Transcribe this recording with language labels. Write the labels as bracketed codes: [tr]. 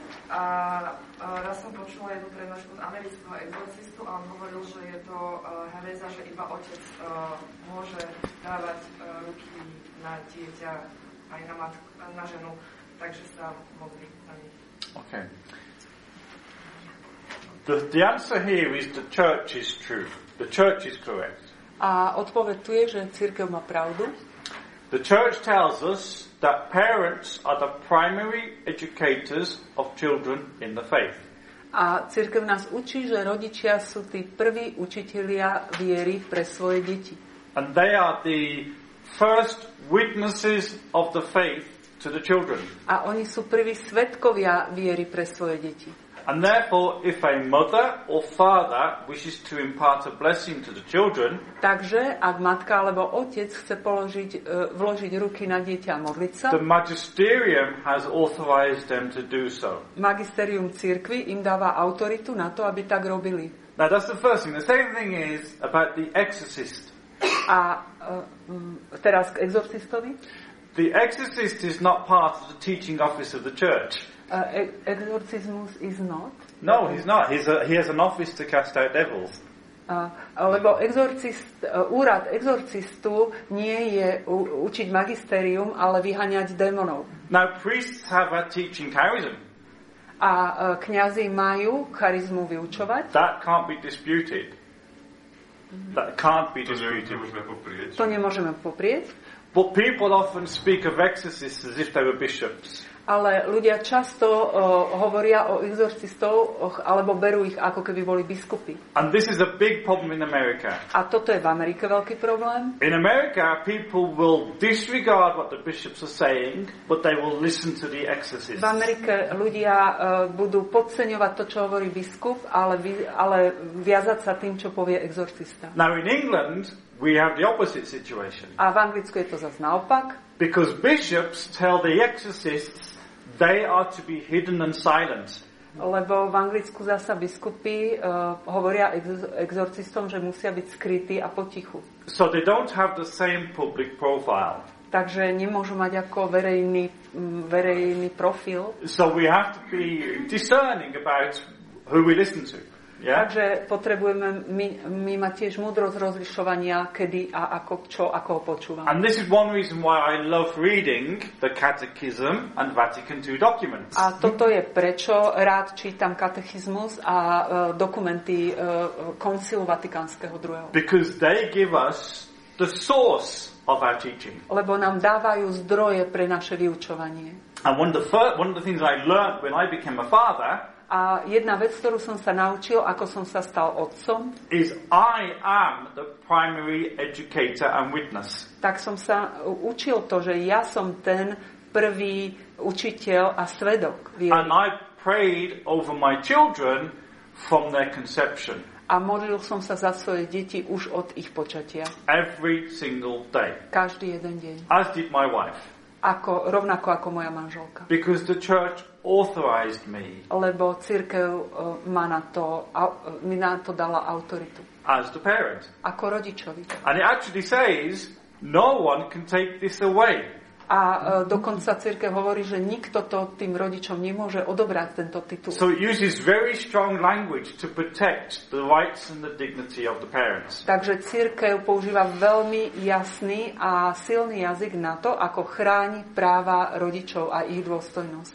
[sk] A raz som počula jednu prednášku z amerického exorcistu a on hovoril, že je to hereza, že iba otec môže dávať ruky na dieťa aj na matku, na ženu, takže sa modlí na nich. OK. [en] The answer here is the church is true. The church is correct. [sk] A odpoveď tu je, že cirkev má pravdu. [en] The church tells us that parents are the primary educators of children in the faith. [sk] A cirkev nás učí, že rodičia sú tí prví učitelia viery pre svoje deti. [en] And they are the first witnesses of the faith to the children. [sk] A oni sú prví svedkovia viery pre svoje deti. [en] And therefore, if a mother or father wishes to impart a blessing to the children, [sk] takže ak matka alebo otec chce položiť, vložiť ruky na dieťa a modliť sa, [en] the magisterium has authorized them to do so. [sk] Magisterium cirkvi im dáva autoritu na to, aby tak robili. [en] Now that's the first thing. The second thing is about the exorcist. [sk] A teraz k exorcistovi. [en] The exorcist is not part of the teaching office of the church. Exorcismus is not. No, he's not. He has an office to cast out devils. [sk] Lebo exorcist, úrad exorcistu nie je učiť magisterium, ale vyhaňať démonov. [en] Now priests have a teaching charism. [sk] A kňazi majú charizmu vyučovať. [en] That can't be disputed. That can't be disputed. [sk] To nemôžeme poprieť. [en] But people often speak of exorcists as if they were bishops. [sk] Ale ľudia často hovoria o exorcistoch alebo berú ich ako keby boli biskupy. [en] And this is a big problem in America. [sk] A toto je v Amerike veľký problém. [en] In America people will disregard what the bishops are saying, but they will listen to the exorcists. [sk] V Amerike ľudia budú podceňovať to, čo hovorí biskup, ale viazať sa tým, čo povie exorcista. [en] Now in England we have the opposite situation. [sk] A v Anglicku je to zase naopak. [en] Because bishops tell the exorcists they are to be hidden and silent. [sk] Lebo v Anglicku zasa biskupy hovoria exorcistom, že musia byť skrytí a potichu. [en] So they don't have the same public profile. [sk] Takže nemôžu mať ako verejný profil. [en] So we have to be discerning about who we listen to. Yeah? [sk] Takže potrebujeme my mať tiež múdrosť rozlišovania, kedy a ako čo a koho počúvam. [en] And this is one reason why I love reading the Catechism and Vatican II documents. [sk] A toto je prečo rád čítam katechizmus a dokumenty koncilu Vatikánskeho II. [en] Because they give us the source of our teaching. [sk] Lebo nám dávajú zdroje pre naše vyučovanie. [en] And one of the things I learned when I became a father. [sk] A jedna vec, ktorú som sa naučil, ako som sa stal otcom, [en] is I am the primary educator and witness. [sk] Tak som sa učil to, že ja som ten prvý učiteľ a svedok viery. [en] And I prayed over my children from their conception. [sk] A modlil som sa za svoje deti už od ich počatia. [en] Every single day. [sk] Každý jeden deň. [en] As did my wife. [sk] Ako, rovnako ako moja manželka. [en] Because the church authorized me. [sk] Lebo cirkev ma na to, mi na to dala autoritu. [en] As the parent. [sk] Ako rodičovi. [en] And it actually says, no one can take this away. [sk] A dokonca cirkev hovorí, že nikto to tým rodičom nemôže odobrať tento titul. [en] So it uses very strong language to protect the rights and the dignity of the parents. [sk] Takže cirkev používa veľmi jasný a silný jazyk na to, ako chráni práva rodičov a ich dôstojnosť.